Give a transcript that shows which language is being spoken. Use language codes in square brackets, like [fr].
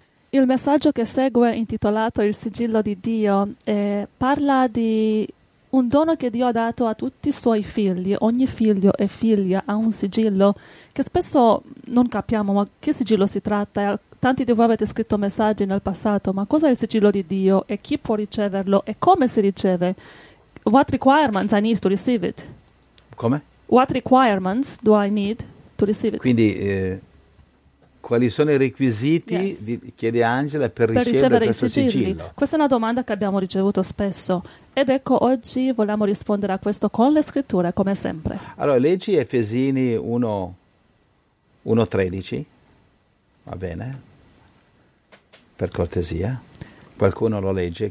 [it] Il messaggio che segue, intitolato Il sigillo di Dio, parla di un dono che Dio ha dato a tutti i suoi figli. Ogni figlio e figlia ha un sigillo che spesso non capiamo, ma che sigillo si tratta? Tanti di voi avete scritto messaggi nel passato, ma cosa è il sigillo di Dio e chi può riceverlo e come si riceve? [en] What requirements I need to receive it? [it] Come? [en] What requirements do I need to receive it? [it] Quindi, quali sono i requisiti, chiede Angela, per ricevere i sigilli? Sigillo. Questa è una domanda che abbiamo ricevuto spesso. Ed ecco, oggi vogliamo rispondere a questo con le scritture, come sempre. Allora, leggi Efesini 1:13. Va bene? Per cortesia. Qualcuno lo legge?